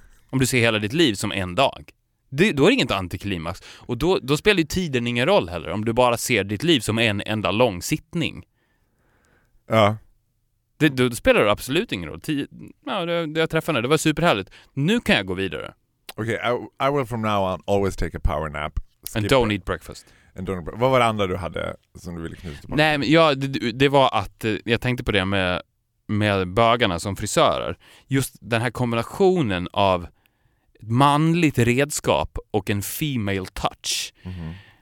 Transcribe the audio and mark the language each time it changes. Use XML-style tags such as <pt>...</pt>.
<sv>Om du ser hela ditt liv som en dag. Då är det inget antiklimax. Och då spelar ju tiden ingen roll heller. Om du bara ser ditt liv som en enda lång sittning. Ja. Då spelar det absolut ingen roll. Det jag träffade, det var superhärligt. Nu kan jag gå vidare. Okej,</sv> <en>okay, I will from now on always take a power nap. And don't eat breakfast.</en> <sv>Vad var det andra du hade som du ville knyta på? Nej, men ja, det var att jag tänkte på det med bögarna som frisörer. Just den här kombinationen av ett manligt redskap och en</sv> <en>female touch. Mm-hmm.</en>